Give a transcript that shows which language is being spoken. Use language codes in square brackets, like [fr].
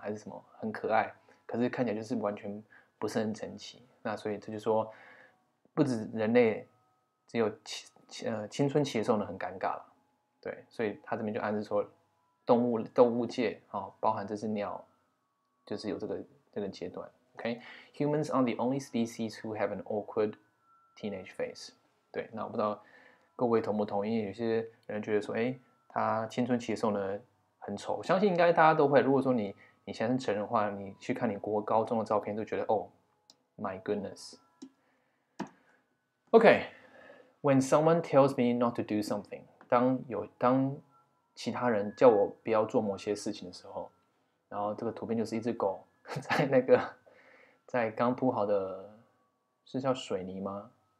[zh] 还是什么很可爱？可是看起来就是完全不是很整齐。那所以这就说，不止人类只有青春期的时候呢很尴尬了。对，所以他这边就暗示说，动物界包含这只鸟，就是有这个阶段。 [en] OK， humans are the only species who have an awkward teenage phase。 [zh] 对，那我不知道。各位同不同意？有些人觉得说，他青春期的时候呢很丑，相信应该大家都会。如果说你现在是成人的话，你去看你国高中的照片，都觉得哦 ， [en] my goodness。 Okay, when someone tells me not to do something， [zh] 当其他人叫我不要做某些事情的时候，然后这个图片就是一只狗在那个在刚铺好的是叫水泥吗？